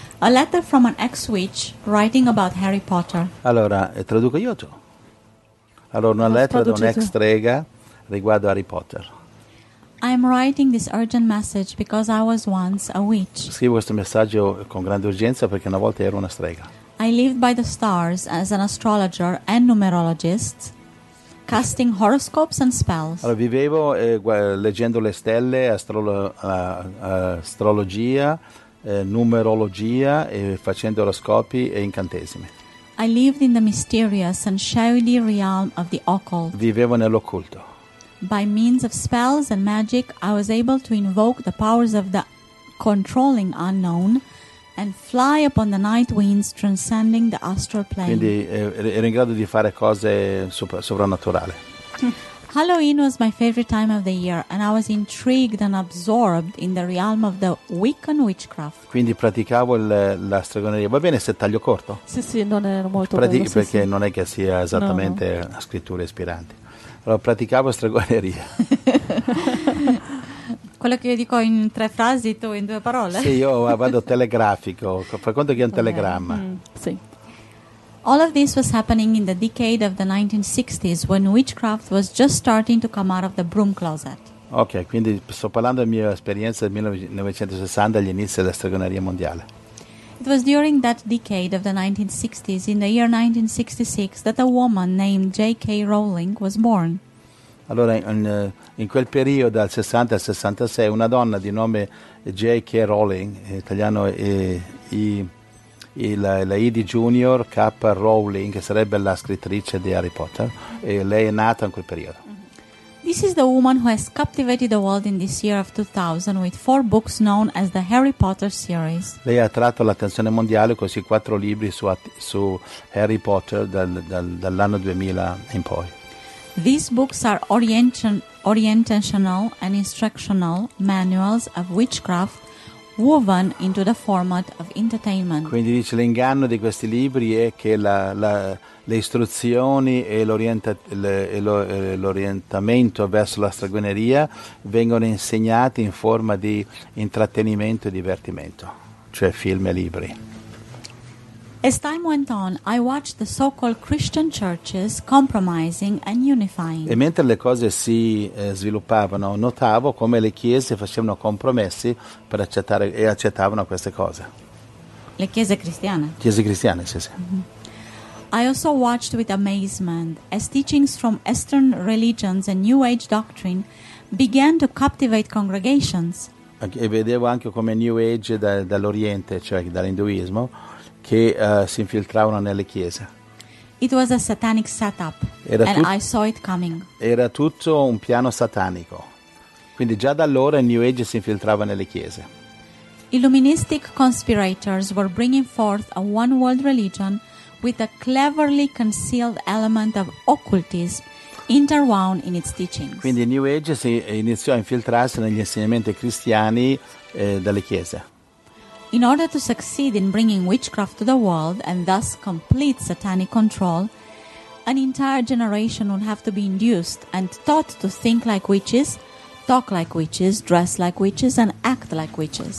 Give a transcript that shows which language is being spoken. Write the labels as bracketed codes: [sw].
[en] A letter from an ex-witch writing about Harry Potter. [it] Allora, traduco io tu. Allora, una lettera da un'ex strega riguardo Harry Potter. [en] I am writing this urgent message because I was once a witch. [it] Scrivo questo messaggio con grande urgenza perché una volta ero una strega. [en] I lived by the stars as an astrologer and numerologist, casting horoscopes and spells. [it] Allora, vivevo leggendo le stelle, astrologia, numerologia, e facendo oroscopi e incantesimi. [en] I lived in the mysterious and shadowy realm of the occult. [it] Vivevo nell'occulto. [en] By means of spells and magic, I was able to invoke the powers of the controlling unknown and fly upon the night winds transcending the astral plane. [it] Quindi ero in grado di fare cose soprannaturali. Halloween was my favorite time of the year and I was intrigued and absorbed in the realm of the Wiccan witchcraft. Quindi praticavo la stregoneria. Va bene se taglio corto? Sì, non è molto bello. Perché sì. Non è che sia esattamente una scrittura ispirante. Allora, praticavo stregoneria. Quello che io dico in tre frasi, tu in due parole. Sì, io vado telegrafico. Fai conto che è un telegramma. Mm, sì. [en] All of this was happening in the decade of the 1960s when witchcraft was just starting to come out of the broom closet. [it] Ok, quindi sto parlando della mia esperienza del 1960, agli inizi della stregoneria mondiale. [en] It was during that decade of the 1960s, in the year 1966, that a woman named J.K. Rowling was born. [it] Allora, in quel periodo, dal 60 al 66, una donna di nome J.K. Rowling, in italiano la I di Junior K. Rowling, che sarebbe la scrittrice di Harry Potter, e lei è nata in quel periodo. [en] This is the woman who has captivated the world in this year of 2000 with four books known as the Harry Potter series. [it] Lei ha attratto l'attenzione mondiale con i quattro libri su Harry Potter dall'anno 2000 in poi. [en] These books are orientational and instructional manuals of witchcraft woven into the format of entertainment. [it] Quindi dice l'inganno di questi libri è che le istruzioni e l'orientamento verso la stregoneria vengono insegnati in forma di intrattenimento e divertimento, cioè film e libri. [en] As time went on, I watched the so-called Christian churches compromising and unifying. [it] E mentre le cose si sviluppavano, notavo come le chiese facevano compromessi per accettare e accettavano queste cose. Le chiese cristiane? Chiese cristiane, sì, sì. Mm-hmm. [en] I also watched with amazement as teachings from Eastern religions and New Age doctrine began to captivate congregations. [it] E vedevo anche come New Age dall'Oriente, cioè dall'induismo, che si infiltravano nelle chiese. [en] It was a satanic setup, and I saw it coming. [it] Era tutto un piano satanico. Quindi già da allora il New Age si infiltrava nelle chiese. [en] Illuministic conspirators were bringing forth a one-world religion with a cleverly concealed element of occultism interwound in its teachings. [it] Quindi New Age si iniziò a infiltrarsi negli insegnamenti cristiani dalle chiese. [en] In order to succeed in bringing witchcraft to the world and thus complete satanic control, an entire generation would have to be induced and taught to think like witches, talk like witches, dress like witches and act like witches.